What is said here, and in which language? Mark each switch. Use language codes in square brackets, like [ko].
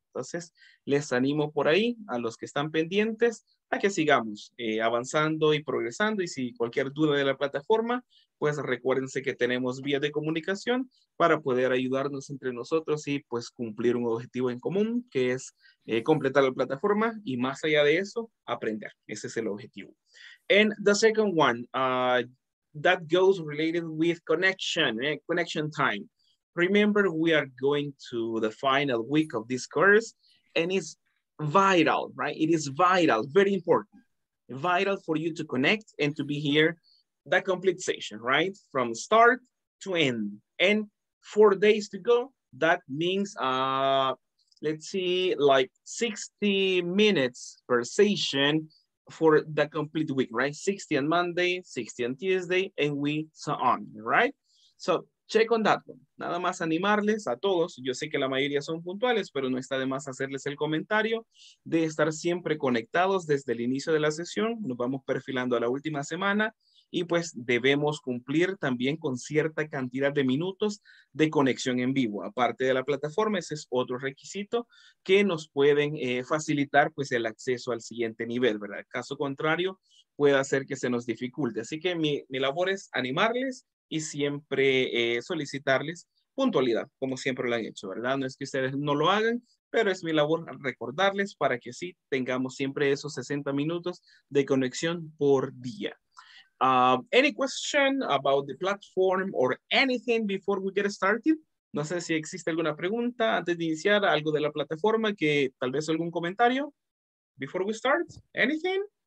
[es] Entonces, les animo por ahí a los que están pendientes a que sigamos avanzando y progresando. Y si cualquier duda de la plataforma, pues recuérdense que tenemos vía de comunicación para poder ayudarnos entre nosotros y pues cumplir un objetivo en común, que es completar la plataforma y más allá de eso, aprender. Ese es el objetivo. [en] And the second one, that goes related with connection, connection time. Remember, we are going to the final week of this course and it's vital, right? It is vital, very important, vital for you to connect and to be here, that complete session, right? From start to end. And 4 days to go, that means, let's see, like 60 minutes per session for the complete week, right? 60 on Monday, 60 on Tuesday, and we so on, right? So check on that one. [es] Nada más animarles a todos. Yo sé que la mayoría son puntuales, pero no está de más hacerles el comentario de estar siempre conectados desde el inicio de la sesión. Nos vamos perfilando a la última semana y pues debemos cumplir también con cierta cantidad de minutos de conexión en vivo. Aparte de la plataforma, ese es otro requisito que nos pueden facilitar pues el acceso al siguiente nivel, ¿verdad? Caso contrario, puede hacer que se nos dificulte. Así que mi labor es animarles y siempre solicitarles puntualidad, como siempre lo han hecho, ¿verdad? No es que ustedes no lo hagan, pero es mi labor recordarles para que sí tengamos siempre esos 60 minutos de conexión por día. [en] Any question about the platform or anything before we get started? [es] No sé si existe alguna pregunta antes de iniciar, algo de la plataforma, que tal vez algún comentario [en] before we start, anything?